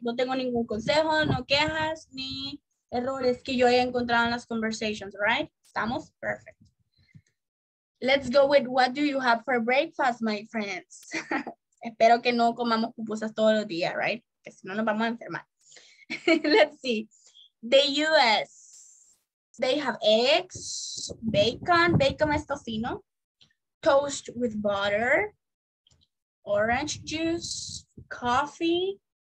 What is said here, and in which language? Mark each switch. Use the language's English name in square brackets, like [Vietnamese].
[Spanish] No tengo ningún consejo, no quejas, ni errores que yo haya encontrado en las [English] conversations, right? [Spanish] Estamos [English] perfect. Let's go with what do you have for breakfast, my friends? [Spanish] Espero que no comamos pupusas todos los días, right? Que si no nos vamos a enfermar. [English] Let's see. The U.S. They have eggs, bacon. Bacon [Spanish] es tocino. [English] Toast with butter. Orange juice. Coffee.